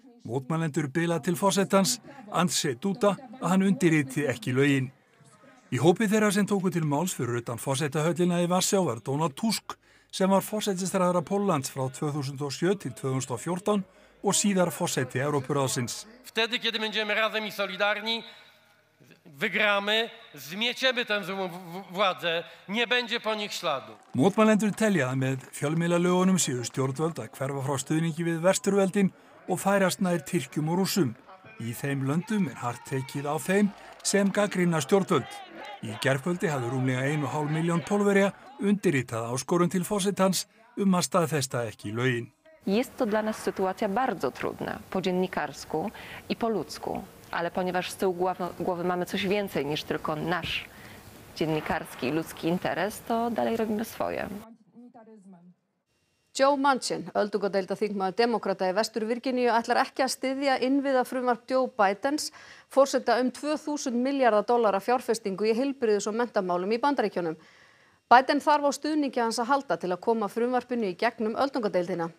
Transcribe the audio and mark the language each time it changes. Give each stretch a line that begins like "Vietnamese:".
Icelandic: Mótmælendur biðla til forsetans, Andrzej Duda, að hann undirriti ekki lögin. Í hópi þeirra sem tóku til máls fyrir utan forsetahöllina í Varsjá var Donald Tusk, sem var forsætisráðherra Póllands frá 2007 til 2014 og síðar forsæti Evrópuráðsins.
Polish: Vtedy, kiedy będziemy razem i solidarni, wygramy, zmieciemy tę złą władzę, nie będzie po nich śladu.
Icelandic: Mótmælendur telja að með fjölmiðlalögunum séu stjórnvöld að hverfa frá stuðningi við vesturveldin og færast nær Tyrkjum og Rússum. Í þeim löndum hart tekið á þeim sem gagnrýna stjórnvöld. Í gærkvöldi hafði rúmlega 1,5 milljón Pólverja undirritað áskorun til forsetans að staðfesta ekki lögin.
Polish: Jest to dla nas sytuacja bardzo trudna po dziennikarsku i po ludzku, ale ponieważ z tyłu głowy mamy coś więcej niż tylko nasz dziennikarski i ludzki interes, to dalej robimy swoje.
Icelandic: Joe Manchin, öldungadeilda þingmaður demokrata í Vestur-Virginíu, ætlar ekki að styðja innviða frumvarp Joe Bidens, forseta 2000 milljarða dollara fjárfestingu í heilbrigðis- og menntamálum í Bandaríkjunum. Biden þarf á stuðningi hans að halda til að koma frumvarpinu í gegnum öldungadeildina.